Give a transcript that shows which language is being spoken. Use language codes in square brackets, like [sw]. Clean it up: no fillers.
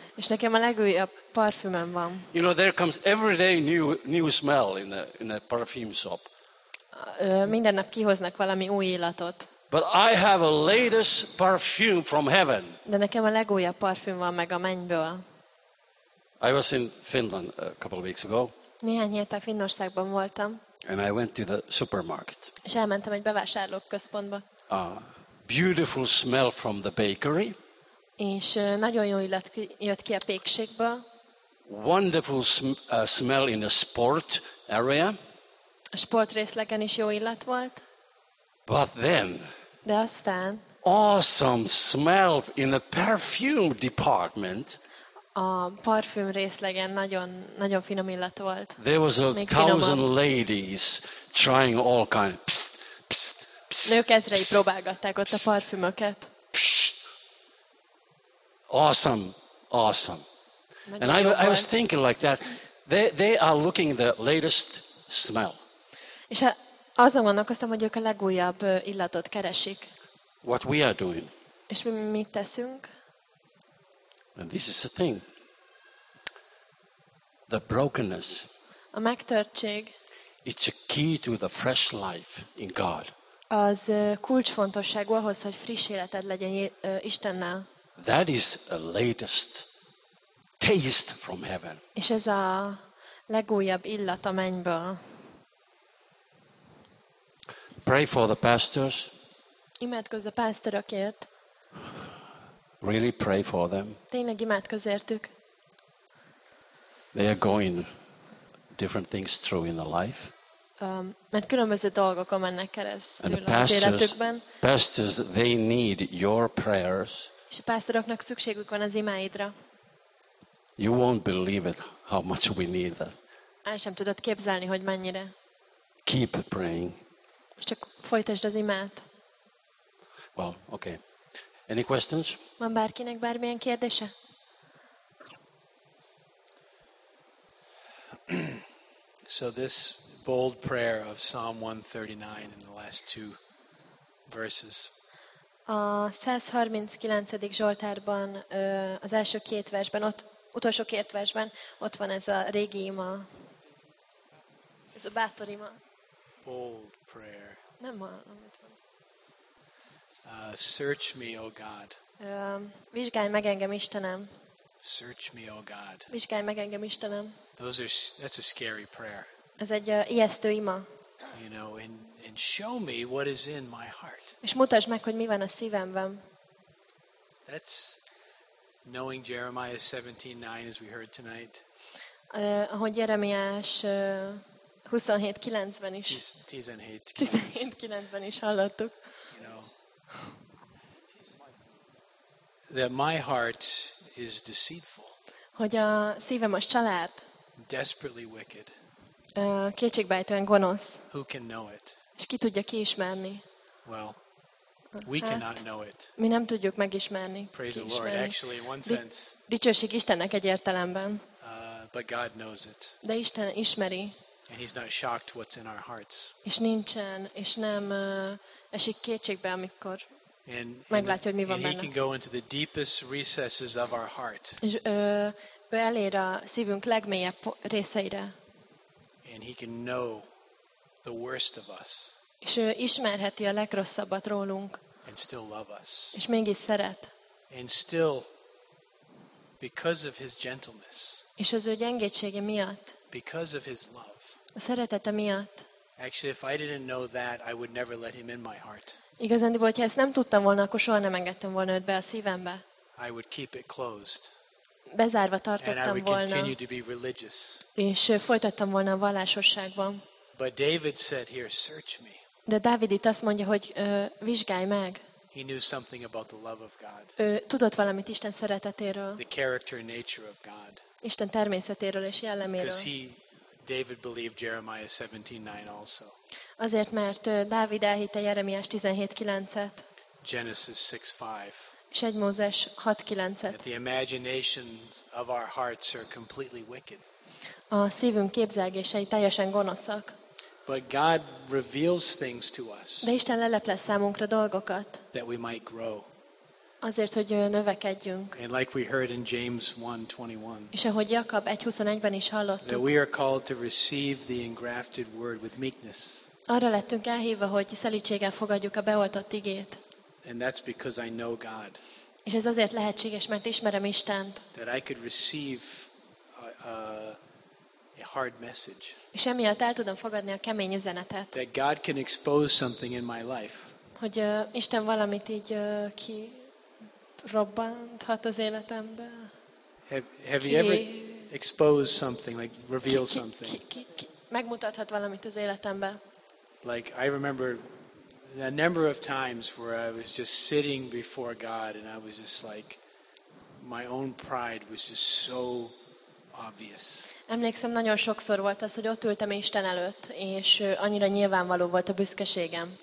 [hu] És nekem a legújabb parfümöm van. [en] You know, there comes every day new smell in a perfume shop. [hu] Minden nap kihoznak valami új illatot. [en] But I have a latest perfume from heaven. [hu] De nekem a legújabb parfüm van meg a mennyből. [en] I was in Finland a couple of weeks ago. [hu] Néhány héttel Finnországban voltam. [en] And I went to the supermarket. [hu] És elmentem egy bevásárlóközpontba. [en] Beautiful smell from the bakery. [hu] És nagyon jó illat jött ki a pékségből. [en] Wonderful smell in a sport area. [hu] A sportrészlegen is jó illat volt. [en] But then. [hu] De aztán. [en] Awesome smell in the perfume department. [hu] A parfüm részlegen nagyon nagyon finom illat volt. [en] There was a thousand ladies trying all kinds. Psst, psst, psst, [hu] nők ezrei psst, próbálgatták ott psst, a parfümöket. [en] Psst. Awesome, awesome. [hu] Nagyon [en] And I was thinking like that. They are looking the latest smell. [hu] És azon gondolkoztam, hogy ők a legújabb illatot keresik. [en] What we are doing. [hu] És mi mit teszünk? [en] And this is the thing. The brokenness. [hu] A megtörtség. [en] It's a key to the fresh life in God. [hu] Az kulcsfontosságú ahhoz, hogy friss életed legyen Istennel. [en] That is a latest taste from heaven. [hu] És ez a legújabb illat a mennyből. [en] Pray for the pastors. [hu] Imádkozz a pásztorokért. [en] Really pray for them. [hu] Tényleg imádkozz értük. [en] They are going different things through in the life. [hu] Mert különböző dolgokon mennek keresztül az életükben. [en] Pastors, they need your prayers. [hu] És a pásztoroknak szükségük van az imáidra. [en] You won't believe it how much we need that. [hu] El sem tudod képzelni, hogy mennyire. [en] Keep praying. [hu] Csak folytasd az imát. [en] Well, okay. Any questions? [hu] Van bárkinek bármilyen kérdése? [en] So this bold prayer of Psalm 139 in the last two verses. [hu] A 139. Zsoltárban, az első két versben, ott utolsó két versben, ott van ez a régi ima. Ez a bátor ima. [en] Bold prayer. [hu] Nem hallom. [en] Search me, O God. [hu] Vizsgálj meg engem, Istenem. [en] Search me, O God. [hu] Vizsgálj meg engem, Istenem. [en] That's a scary prayer. [hu] Ez egy ijesztő ima. [en] You know, and show me what is in my heart. [hu] És mutasd meg, hogy mi van a szívemben. [en] That's knowing Jeremiah 17:9 as we heard tonight. [hu] Ahogy Jeremiás 27:9-ben is. 17:9-ben is hallottuk. [en] That my heart is deceitful. [hu] Hogy a szívem a család. [en] Desperately wicked. [hu] Kétségbejtően gonosz. [en] Who can know it? [hu] És ki tudja kiismerni? [en] Well, we cannot know it. [hu] Mi nem tudjuk megismerni. [en] Praise the Lord, actually, in one sense. [hu] Dicsőség Istennek egy értelemben. [en] But God knows it. [hu] De Isten ismeri. [en] And he's not shocked what's in our hearts. [hu] És nincsen, és nem esik kétségbe, amikor meglátja, hogy mi van benne. [en] And he can go into the deepest recesses of our heart. [hu] És ő elér a szívünk legmélyebb részeire. [en] And he can know the worst of us. [hu] És ő ismerheti a legrosszabbat rólunk. [en] And still love us. [hu] És mégis szeret. [en] And still, because of his gentleness. [hu] És az ő gyengétsége miatt. [en] Because of his love. [hu] A szeretete miatt. [en] Actually, if I didn't know that, I would never let him in my heart. [hu] Igazándiból, hogyha ezt nem tudtam volna, akkor soha nem engedtem volna őt be a szívembe. [en] I would keep it closed. [hu] Bezárva tartottam volna. [en] And I would continue to be religious. [hu] És folytattam volna a vallásosságban. [en] But David said here, search me. [hu] De Dávid itt azt mondja, hogy vizsgálj meg. [en] He knew something about the love of God. [hu] Ő tudott valamit Isten szeretetéről. [en] The character and nature of God. [hu] Isten természetéről és jelleméről. [en] Because David believed Jeremiah 17:9 also. [hu] Azért, mert Dávid elhitte Jeremiás 17:9-et. [en] Genesis 6:5. [hu] És 1 Mózes 6:9-et. [en] That the imaginations of our hearts are completely wicked. [hu] A szívünk képzelgései teljesen gonoszak. [en] But God reveals things to us. [hu] De Isten leleplez számunkra dolgokat. [en] That we might grow. [hu] Azért, hogy növekedjünk. [en] And like we heard in James 1:21. [hu] És ahogy Jakab 1:21-ben is hallottuk. [en] That we are called to receive the engrafted word with meekness. [hu] Arra lettünk elhívva, hogy szelídséggel fogadjuk a beoltott igét. [en] And that's because I know God. [hu] És ez azért lehetséges, mert ismerem Istent. [en] That I could receive a hard message. [hu] És emiatt el tudom fogadni a kemény üzenetet. [en] That God can expose something in my life. [hu] Hogy Isten valamit így kirobbanthat az életembe. [en] Have you ever exposed something, like revealed something? [hu] Megmutathat valamit az életembe. [en] Like I remember a number of times where I was just sitting before God and I was just like, my own pride was just so obvious. [hu] Emlékszem, nagyon sokszor volt az, hogy ott ültem Isten előtt, és annyira nyilvánvaló volt a büszkeségem.